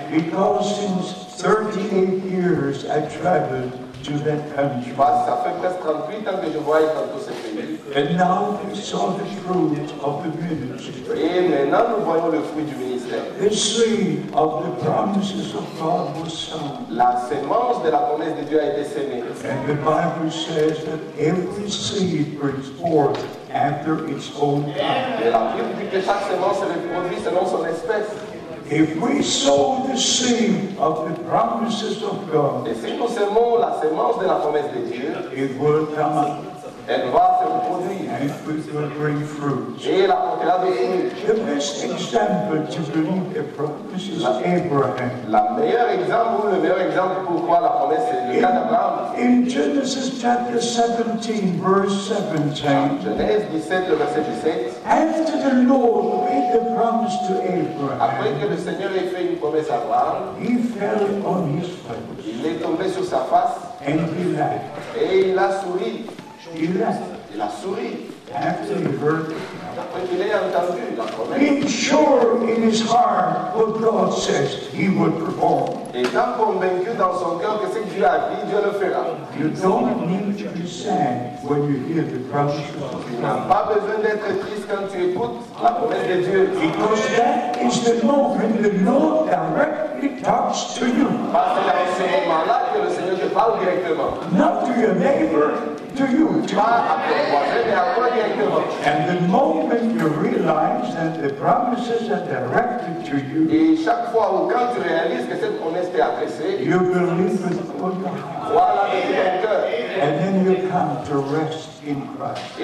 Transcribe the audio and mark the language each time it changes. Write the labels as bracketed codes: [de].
[en] Because since 38 years, I traveled to that country. And now we saw the fruit of the ministry. The seed of the promises of God was sown. [fr] La semence de la promesse de Dieu a été semée. [en] And the Bible says that every seed brings forth after its own kind. [fr] Et la Bible dit que chaque semence est produite selon son espèce. [en] If we sow the seed of the promises of God, [fr] et si nous semons la semence de la promesse de Dieu, [en] it will come up. [fr] Elle va se reproduire. [en] And it will bring fruit. [fr] Et elle apportera des fruits. [en] The best example to believe the promise is Abraham. [fr] La meilleure exemple, le meilleur exemple pour croire la promesse, c'est le cas d'Abraham. [en] In Genesis chapter 17, verse 17. [fr] Genèse 17, le verset 17. [en] After the Lord made the promise to Abraham. [fr] Après que le Seigneur ait fait une promesse à Abraham. [en] He fell on his face. [fr] Il est tombé sur sa face. [en] And he laughed. [fr] Et il a souri. Il a souri. [en] After he heard, [fr] après qu'il ait entendu la promesse, [en] being sure in his heart what God says he would perform. [fr] Étant convaincu dans son cœur que ce que Dieu a dit, Dieu le fera. [en] You don't need to be sad when you hear the promise of God. [fr] Tu n'as pas besoin d'être triste quand tu écoutes la promesse de Dieu. [en] Because that is the moment the Lord directly talks to you. [fr] Parce que c'est ce moment-là que le Seigneur te parle directement. [en] Not to your neighbor. To you, and the moment you realize that the promises are directed to you, you believe with all your heart, and then you come to rest in Christ.